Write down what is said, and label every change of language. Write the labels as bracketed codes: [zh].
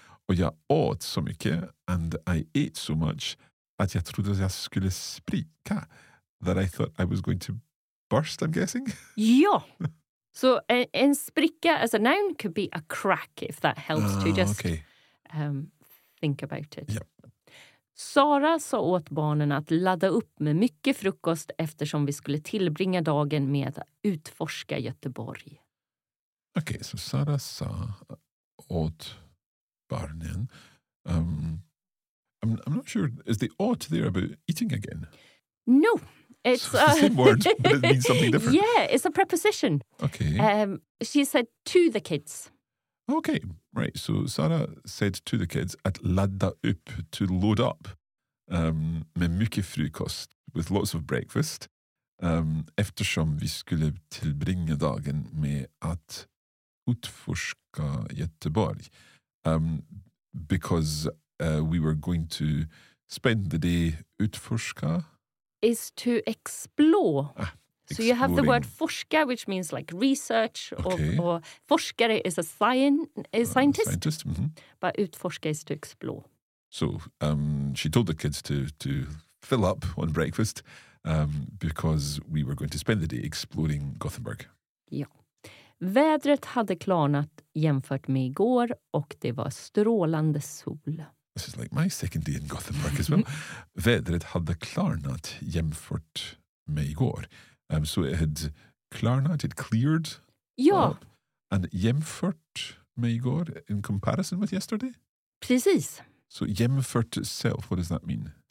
[sv] Och jag åt så mycket [en] and I ate so much [sv] att jag trodde jag skulle spricka, [en] that I thought I was going to burst, I'm guessing. [sv] Ja. [en] So en spricka as a noun could be a crack, if that helps to just okay. Think about it. Yep. [sv] Sara sa åt barnen att ladda upp med mycket frukost eftersom vi skulle tillbringa dagen med att utforska Göteborg. [en] Okay, so [sv] Sara sa åt barnen [en] I'm not sure, is the ought there about eating again? No. It's the same word, but it means something different. Yeah, it's a preposition. Okay. She said to the kids. Okay, right. So Sara said to the kids, [sv] at ladda upp, [en] to load up, [sv] med mycket frukost, [en] with lots of breakfast, [sv] eftersom vi skulle tillbringa dagen med att utforska Göteborg. [en] Because we were going to spend the day utforska. Is to explore. Ah, so you have the word forska, which means like research. Okay. Or forskare is a scientist. Scientist. Mm-hmm. But utforska is to explore. So she told the kids to fill up on breakfast because we were going to spend the day exploring Gothenburg. [sv] Ja. Vädret hade klarnat jämfört med igår och det var strålande sol. [en] This is like my second day in Gothenburg as well. [sv] Vädret hade klarnat jämfört med igår. [en] So it had klarnat, it cleared. [sv] Ja. [en] And [sv] jämfört med igår, [en] in comparison with yesterday? [sv] Precis. [en] So jämfört itself, what does that mean?